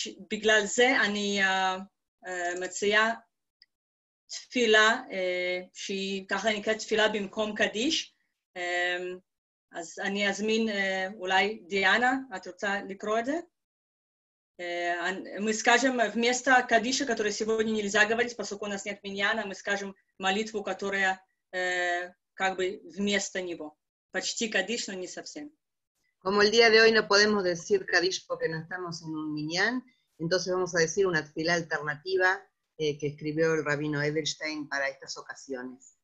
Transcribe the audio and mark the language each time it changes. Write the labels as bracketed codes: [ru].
[he] בגלל זה אני מציעה תפילה, שהיא ככה נקראת תפילה במקום קדיש. אז אני אזמין אולי דיאנה, את רוצה לקרוא את זה? [ru] Мы скажем вместо Кадиша, который сегодня нельзя говорить, поскольку у нас нет миньяна, мы скажем молитву, которая как бы вместо него. Почти Кадиш, но не совсем. [es] Como el día de hoy no podemos decir Кадиш, porque no estamos en un миньян, entonces vamos a decir una tefila alternativa que escribió el Rabino Edelstein para estas ocasiones.